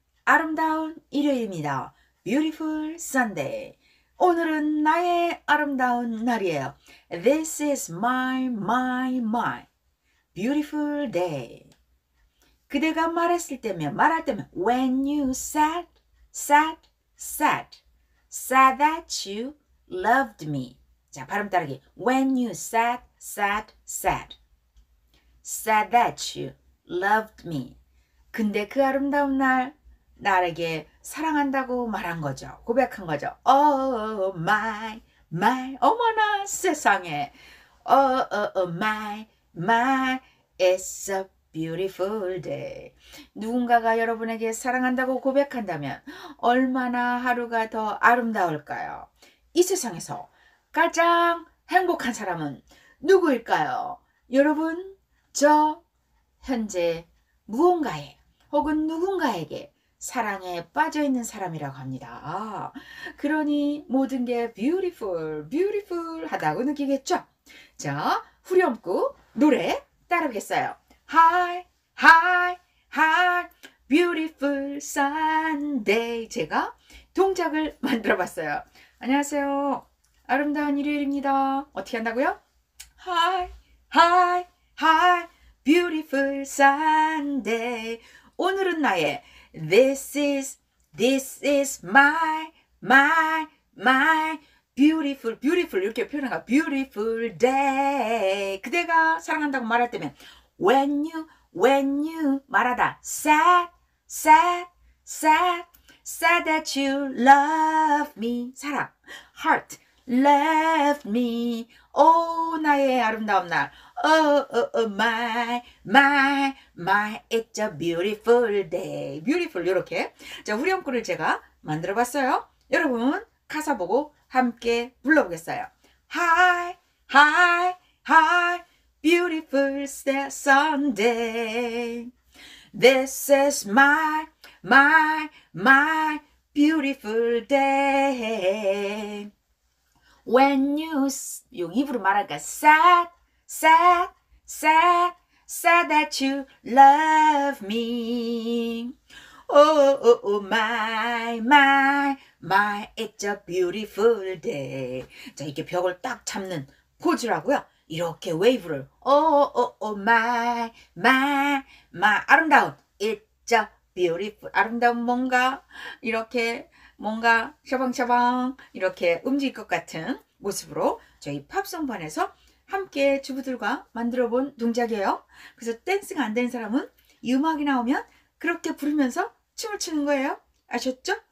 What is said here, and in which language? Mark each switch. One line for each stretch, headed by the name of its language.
Korean: 아름다운 일요일입니다.
English: Beautiful Sunday.
Korean: 오늘은 나의 아름다운 날이에요.
English: This is my, my, my beautiful day.
Korean: 그대가 말했을 때면, 말할 때면
English: when you said, said, said, said that you loved me.
Korean: 자, 발음 따르기.
English: When you said, said, said, said that you loved me.
Korean: 근데 그 아름다운 날, 나에게 사랑한다고 말한 거죠. 고백한 거죠.
English: Oh, my, my,
Korean: 어머나 세상에.
English: Oh, oh, oh, my, my, it's a beautiful day.
Korean: 누군가가 여러분에게 사랑한다고 고백한다면 얼마나 하루가 더 아름다울까요? 이 세상에서 가장 행복한 사람은 누구일까요? 여러분, 저 현재 무언가에 혹은 누군가에게 사랑에 빠져있는 사람이라고 합니다. 그러니 모든 게 beautiful, beautiful 하다고 느끼겠죠? 자, 후렴구 노래 따라오겠어요.
English: Hi, hi, hi, beautiful Sunday.
Korean: 제가 동작을 만들어봤어요. 안녕하세요. 아름다운 일요일입니다. 어떻게 한다고요?
English: Hi, hi, hi, beautiful Sunday.
Korean: 오늘은 나의
English: this is my, my, my beautiful, beautiful
Korean: 이렇게 표현한 거
English: beautiful day.
Korean: 그대가 사랑한다고 말할 때면
English: when you 말하다 said, said, said, said that you love me 사랑, heart, left me
Korean: 오 나의 아름다운 날
English: Oh, oh, oh, my, my, my, it's a beautiful day.
Korean: Beautiful, 요렇게. 자, 후렴구를 제가 만들어봤어요. 여러분, 가사 보고 함께 불러보겠어요.
English: Hi, hi, hi, beautiful Sunday. This is my, my, my, beautiful day. When you,
Korean: 요 입으로 말하니까
English: sad, Said, said, said that you love me. Oh, oh, oh, my, my, my, it's a beautiful day.
Korean: 자, 이렇게 벽을 딱 잡는 포즈라고요. 이렇게 웨이브를.
English: Oh, oh, oh, oh, my, my, my, 아름다운. It's a beautiful,
Korean: 아름다운 뭔가, 이렇게 뭔가 샤방샤방 이렇게 움직일 것 같은 모습으로 저희 팝송반에서 함께 주부들과 만들어 본 동작이에요. 그래서 댄스가 안 되는 사람은 이 음악이 나오면 그렇게 부르면서 춤을 추는 거예요. 아셨죠?